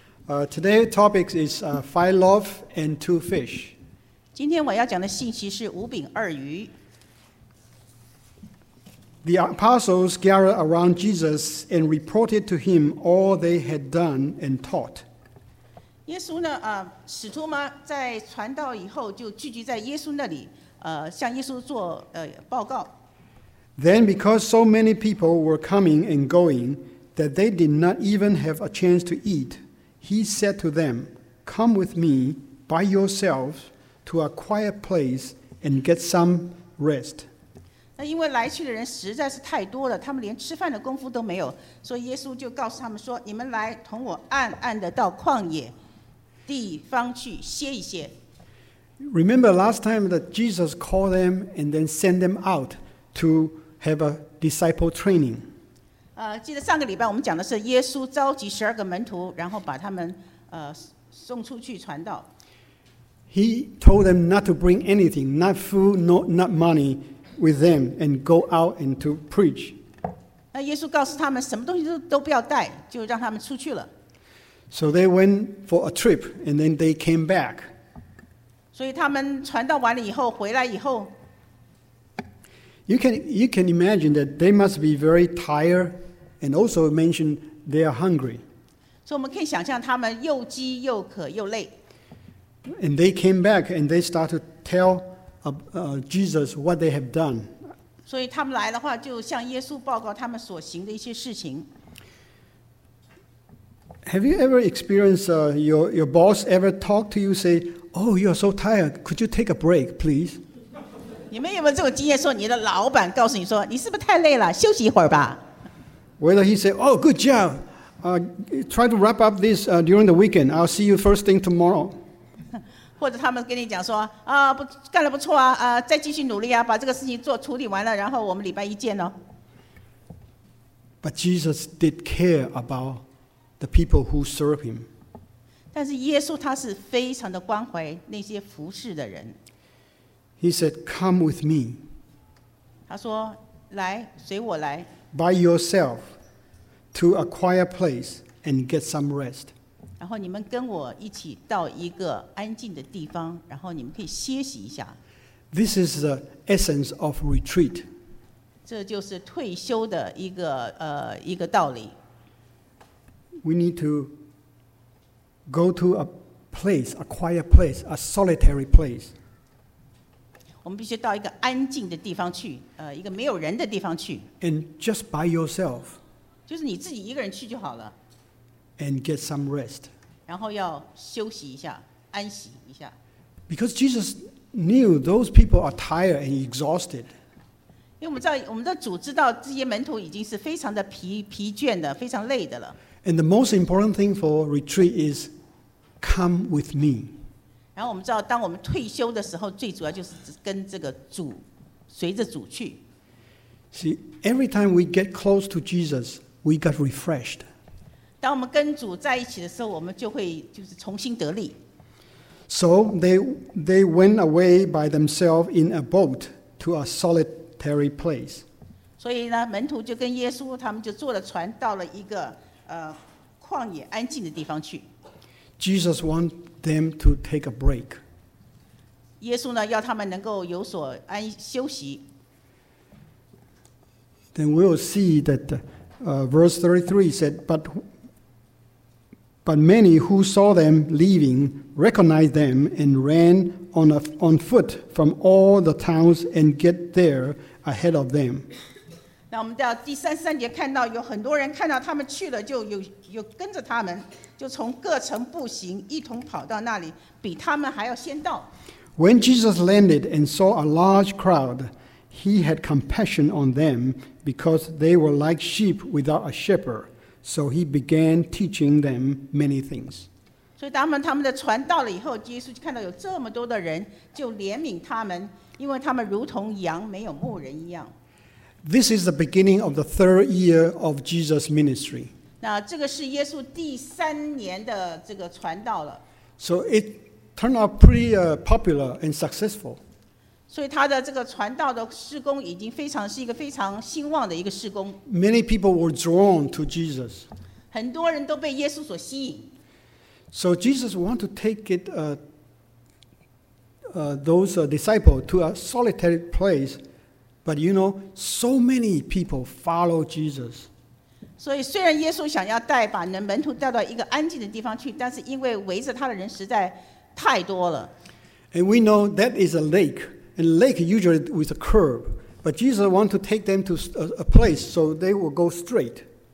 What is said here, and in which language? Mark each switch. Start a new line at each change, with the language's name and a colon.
English: Today's topic is five loaves and two fish.
Chinese: 今天我要讲的信息是五饼二鱼。
English: The apostles gathered around Jesus and reported to him all they had done and taught.
Chinese: 耶稣呢？使徒们在传道以后就聚集在耶稣那里，向耶稣做报告。
English: Then, because so many people were coming and going that they did not even have a chance to eat, he said to them, "Come with me by yourselves to a quiet place and get some rest."
Chinese: 那因为来去的人实在是太多了，他们连吃饭的功夫都没有，所以耶稣就告诉他们说：“你们来同我暗暗的到旷野地方去歇一歇。”
English: Remember last time that Jesus called them and then sent them out. To have a disciple training.
Chinese: 记得上个礼拜我们讲的是耶稣召集十二个门徒，然后把他们送出去传道。
English: He told them not to bring anything, not food, not money, with them, and go out and to preach.
Chinese: 那耶稣告诉他们什么东西都不要带，就让他们出去了。
English: So they went for a trip, and then they came back.
Chinese: 所以他们传道完了以后，回来以后。
English: You can imagine that they must be very tired, and also mentioned they are hungry. So we can imagine they are both hungry and tired. And they came back and they start to tell Jesus what they have done. So if they come, they will tell Jesus what they have done. Have you ever experienced your boss ever talk to you say, "Oh, you are so tired. Could you take a break, please?"
Chinese: 你们有没有这种经验？说你的老板告诉你说，你是不是太累了？休息一会儿吧。
English: Whether he say, "Oh, good job," try to wrap up this during the weekend. I'll see you first thing tomorrow.
Chinese: 或者他们跟你讲说，不干得不错啊，再继续努力啊，把这个事情做处理完了，然后我们礼拜一见哦。
English: But Jesus did care about the people who serve him.
Chinese: 但是耶稣他是非常的关怀那些服侍的人。
English: He said, "Come with me."
Chinese: 他说，来，随我来。
English: By yourself, to a quiet place and get some rest.
Chinese: 然后你们跟我一起到一个安静的地方，然后你们可以歇息一下。
English: This is the essence of retreat.
Chinese: 这就是退休的一个道理。
English: We need to go to a place, a quiet place, a solitary place.
Chinese: 我们必须到一个安静的地方去，一个没有人的地方去。
English: And just by yourself.
Chinese: 就是你自己一个人去就好了。
English: And get some rest.
Chinese: 然后要休息一下，安息一下。
English: Because Jesus knew those people are tired and exhausted.
Chinese: 因为我们的主知道这些门徒已经是非常的疲倦的，非常累的了。
English: And the most important thing for retreat is, come with me.
Chinese: 然后我们知道，当我们退休的时候，最主要就是跟这个主，随着主去。
English: See, every time we get close to Jesus, we get refreshed.
Chinese: 当我们跟主在一起的时候，我们就会就是重新得力。
English: So they went away by themselves in a boat to a solitary place.
Chinese: 所以呢，门徒就跟耶稣他们就坐了船到了一个旷野安静的地方去。
English: Jesus wanted them to take a break.
Chinese: 耶稣呢，要他们能够有所安休息。
English: Then we will see that verse 33 said, but many who saw them leaving recognized them and ran on foot from all the towns and get there ahead of them.
Chinese: 那我们到第33节看到有很多人看到他们去了，就有跟着他们。就从各城步行，一同跑到那里，比他们还要先到。
English: When Jesus landed and saw a large crowd, he had compassion on them because they were like sheep without a shepherd. So he began teaching them many things.
Chinese: 所以他们的船到了以后，耶稣就看到有这么多的人，就怜悯他们，因为他们如同羊没有牧人一样。
English: This is the beginning of the third year of Jesus' ministry.
Chinese: 那这个是耶稣第三年的这个传道了。
English: So it turned out pretty popular and successful.
Chinese: 所以他的这个传道的事工已经非常是一个非常兴旺的一个事工。
English: Many people were drawn to Jesus.
Chinese: 很多人都被耶稣所吸引。
English: So Jesus wanted to take it, those disciples to a solitary place. But you know, so many people follow Jesus.
Chinese: 所以虽然耶稣想要带把门徒带到一个安静的地方去，但是因为围着他的人实在太多了。
English: And we know that is a lake. And lake usually with a curve, but Jesus wanted to take them to a place so they will go straight.